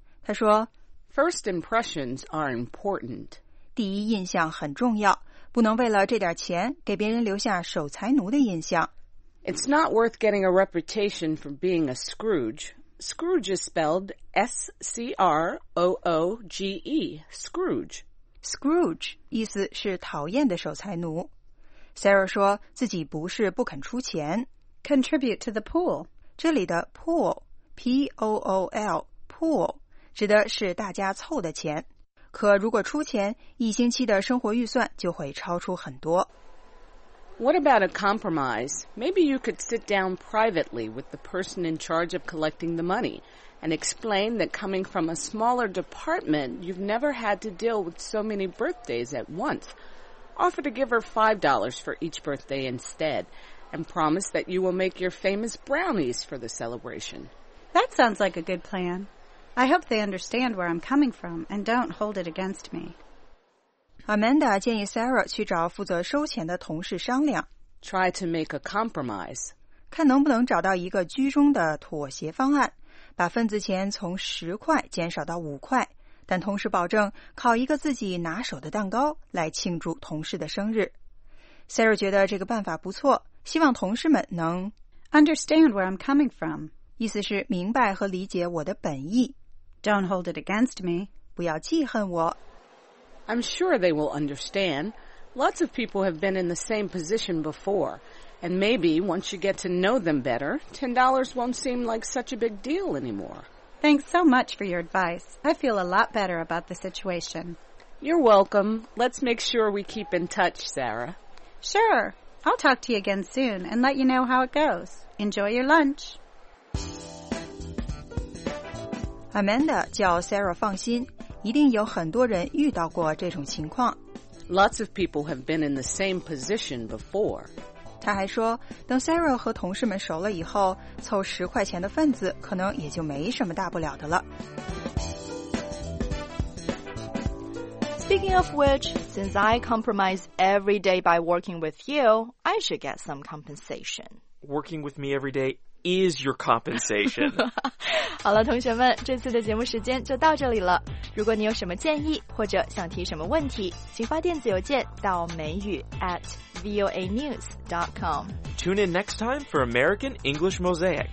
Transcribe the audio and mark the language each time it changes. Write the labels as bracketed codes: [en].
[zh] 她说， [en] First impressions are important. [zh] 第一印象很重要。不能为了这点钱给别人留下守财奴的印象。 [en] It's not worth getting a reputation for being a Scrooge. Scrooge is spelled S-C-R-O-O-G-E, Scrooge. [zh] Scrooge 意思是讨厌的守财奴。Sarah 说自己不是不肯出钱。 [en] Contribute to the pool. [zh] 这里的 pool, P-O-O-L, pool, 指的是大家凑的钱。可如果出钱，一星期的生活预算就会超出很多。 [en] What about a compromise? Maybe you could sit down privately with the person in charge of collecting the money and explain that coming from a smaller department, you've never had to deal with so many birthdays at once. Offer to give her $5 for each birthday instead and promise that you will make your famous brownies for the celebration. That sounds like a good plan. I hope they understand where I'm coming from and don't hold it against me. [zh] Amanda 建议 Sarah 去找负责收钱的同事商量。 [en] Try to make a compromise. [zh] 看能不能找到一个居中的妥协方案，把份子钱从十块减少到五块，但同时保证烤一个自己拿手的蛋糕来庆祝同事的生日。 Sarah 觉得这个办法不错，希望同事们能 [en] Understand where I'm coming from. [zh] 意思是明白和理解我的本意。 [en] Don't hold it against me. [zh] 不要记恨我。 [en] I'm sure they will understand. Lots of people have been in the same position before. And maybe once you get to know them better, $10 won't seem like such a big deal anymore. Thanks so much for your advice. I feel a lot better about the situation. You're welcome. Let's make sure we keep in touch, Sarah. Sure. I'll talk to you again soon and let you know how it goes. Enjoy your lunch. [zh] Amanda 叫 Sarah 放心，一定有很多人遇到过这种情况。 [en] Lots of people have been in the same position before. [zh] 他还说，等 Sarah 和同事们熟了以后，凑十块钱的份子可能也就没什么大不了的了。 [en] Speaking of which, since I compromise every day by working with you, I should get some compensation. Working with me every day. Is your compensation. [zh] 好了，同学们，这次的节目时间就到这里了。如果你有什么建议或者想提什么问题，请发电子邮件到美语@voanews.com. [en] Tune in next time for American English Mosaic.